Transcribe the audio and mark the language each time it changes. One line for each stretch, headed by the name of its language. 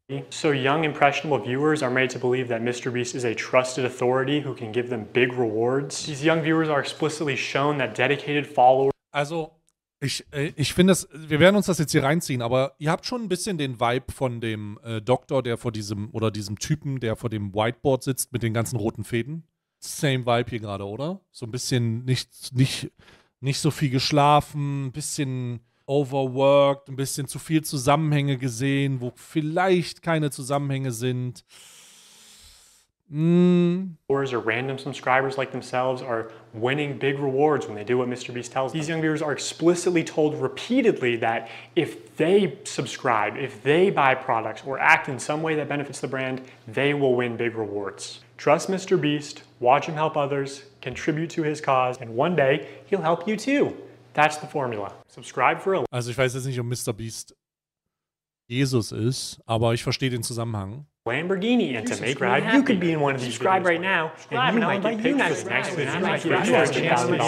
English: So young, impressionable viewers are made to believe that Mr. Beast is a trusted authority who can give them big rewards. These young viewers are explicitly shown that dedicated followers...
German: Also, ich finde das, wir werden uns das jetzt hier reinziehen, aber ihr habt schon ein bisschen den Vibe von dem Doktor, der vor diesem, oder diesem Typen, der vor dem Whiteboard sitzt mit den ganzen roten Fäden.
English: Same Vibe
German: hier gerade, oder? So ein bisschen nicht so viel geschlafen, ein bisschen... overworked, ein bisschen zu viel Zusammenhänge gesehen, wo vielleicht keine Zusammenhänge sind.
English: Or is it random subscribers like themselves are winning big rewards when they do what Mr. Beast tells them? These young viewers are explicitly told repeatedly that if they subscribe, if they buy products or act in some way that benefits the brand, they will win big rewards. Trust Mr. Beast, watch him help others, contribute to his cause, and one day he'll help you too. That's the formula. Subscribe for a...
German: Also ich weiß jetzt nicht, ob Mr. Beast Jesus ist, aber ich verstehe den Zusammenhang.
English: Lamborghini and to make ride, you could be in one of these. Subscribe right now. And you might get pictures next to the next video.